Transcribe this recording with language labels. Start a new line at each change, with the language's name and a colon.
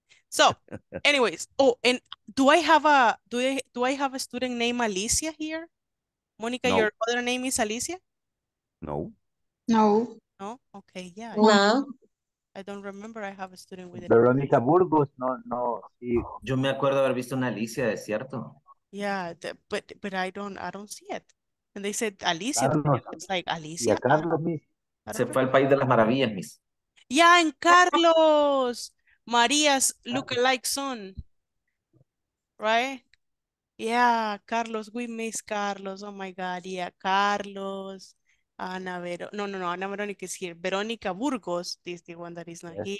English: So anyways, oh, and do I have a student named Alicia here? Monica, no. Your other name is Alicia? No. Okay, yeah. No. I don't remember I have a student with it. Veronica Burgos, no. Sí.
Spanish: Yo me acuerdo haber visto una Alicia, es cierto.
English: Yeah, but I don't see it. And they said Alicia, it's like Alicia.
Spanish: Y a Carlos, Miss. Se fue al país de las maravillas, Miss.
English: Yeah, and Carlos, Maria's look-alike son, right? Yeah, Carlos, we miss Carlos, oh my God, yeah, Carlos. Ana Vero, no, Ana Verónica is here. Veronica Burgos, this the one that is not yes.